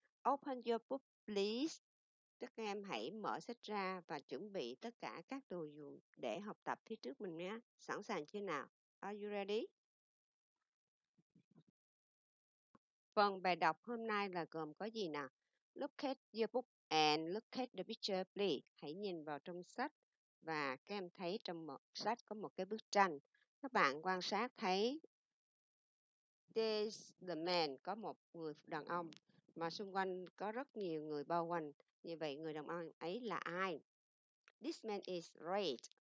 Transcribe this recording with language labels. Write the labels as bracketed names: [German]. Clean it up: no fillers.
[English] Open your book, please. [Vietnamese] Các em hãy mở sách ra và chuẩn bị tất cả các đồ dùng để học tập phía trước mình nhé. Sẵn sàng chưa nào? [English] Are you ready? [Vietnamese] Phần bài đọc hôm nay là gồm có gì nào? [English] Look at your book and look at the picture, please. [Vietnamese] Hãy nhìn vào trong sách và các em thấy trong một sách có một cái bức tranh. Các bạn quan sát thấy [English] there's the man, [Vietnamese] có một người đàn ông mà xung quanh có rất nhiều người bao quanh. Như vậy, người đàn ông ấy là ai? [English] This man is great.